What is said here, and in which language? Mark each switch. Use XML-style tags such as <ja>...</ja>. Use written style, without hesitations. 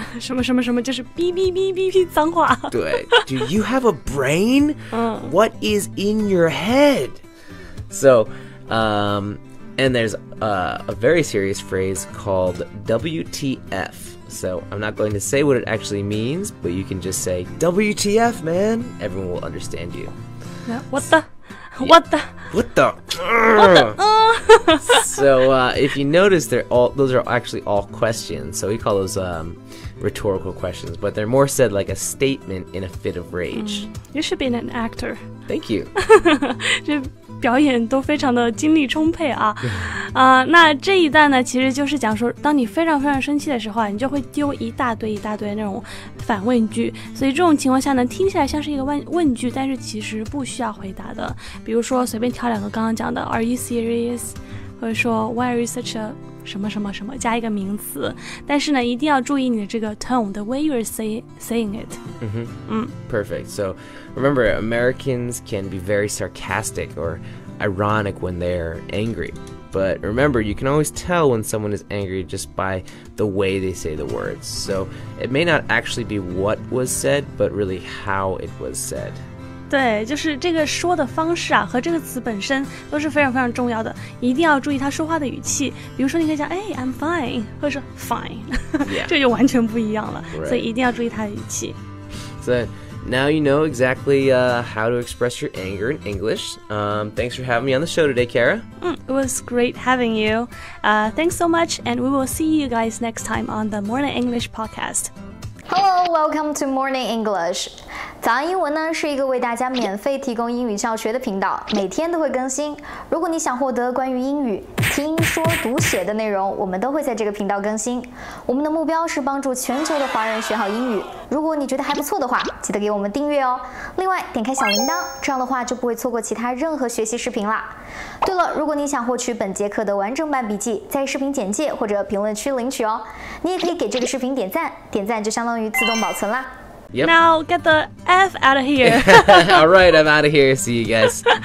<zh>什么什么什么就是哔哔哔哔哔脏话</zh> <en>对 Do you have a brain? What is in your head? So, and there's a very serious phrase called WTF. So I'm not going to say what it actually means, but you can just say WTF, man. Everyone will understand you. What the? What the? What the? What the? So if you notice, those are actually all questions. So we call those rhetorical questions, but they're more said like a statement in a fit of rage. You should be an actor. Thank you.</en> <zh>表演都非常的精力充沛啊，那这一段呢，其实就是讲说，当你非常非常生气的时候啊，你就会丢一大堆一大堆那种反问句，所以这种情况下呢，听起来像是一个问句，但是其实不需要回答的。比如说随便挑两个刚刚讲的 ，</zh> <en>Are you serious？</en> <zh>或者说 Why are you such a 什么什么什么加一个名词，但是呢，一定要注意你的这个 tone，</zh> <en>the way you're saying it。 Mm-hmm. Perfect. So. Remember, Americans can be very sarcastic or ironic when they're angry. But remember, you can always tell when someone is angry just by the way they say the words. So it may not actually be what was said, but really how it was said.</en> <zh>对，就是这个说的方式啊，和这个词本身都是非常非常重要的，一定要注意他说话的语气。比如说，你可以讲，哎 ，</zh> <en>I'm fine，</en> <zh>或者说 fine， 这就完全不一样了。</zh> <en>Right.</en> <zh>所以一定要注意他的语气。</zh> <en>So, now you know exactly how to express your anger in English. Thanks for having me on the show today, Kara. It was great having you. Thanks so much, and we will see you guys next time on the Morning English Podcast. Hello, welcome to Morning English.</en> <zh>早安英文呢是一个为大家免费提供英语教学的频道，每天都会更新。如果你想获得关于英语听说读写的内容，我们都会在这个频道更新。我们的目标是帮助全球的华人学好英语。如果你觉得还不错的话，记得给我们订阅哦。另外，点开小铃铛，这样的话就不会错过其他任何学习视频啦。对了，如果你想获取本节课的完整版笔记，在视频简介或者评论区领取哦。你也可以给这个视频点赞，点赞就相当于自动保存啦。</zh> <en>Yep. Now get the F out of here. All right, I'm out of here. See you guys.</en>